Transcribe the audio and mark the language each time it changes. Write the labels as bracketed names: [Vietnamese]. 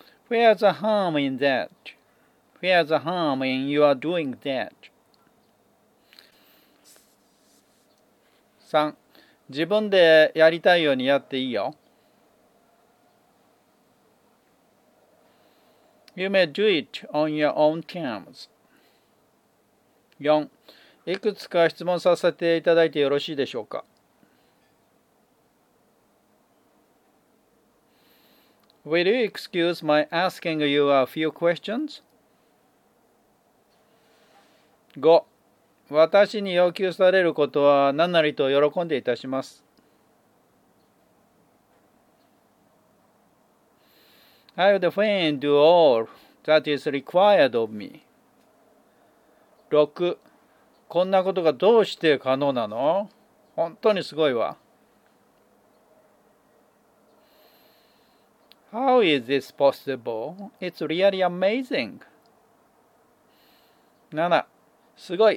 [English] Where's the harm in that? Where's the harm in your doing that? 3. [Japanese] 自分でやりたいようにやっていいよ。 [English] You may do it on your own terms. 4. [Japanese] いくつか質問させていただいてよろしいでしょうか。 [English] Will you excuse my asking you a few questions? 5. [Japanese] 私に要求されることは何なりと喜んでいたします。 [English] I would fain do all that is required of me. 6. [Japanese] こんなことがどうして可能なの？本当にすごいわ。 [English] How is this possible? It's really amazing. [Japanese] 7. すごい。